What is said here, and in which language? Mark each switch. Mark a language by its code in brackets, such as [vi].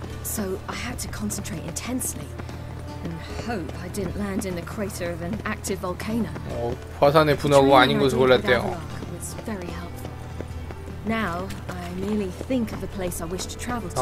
[en] So I had to concentrate intensely and hope I didn't land in the crater of an active volcano. [ko] 어, 화산의 분화구 아닌 곳을 골랐대요. [en] It's very helpful. Now I merely think of the place I wish to travel to.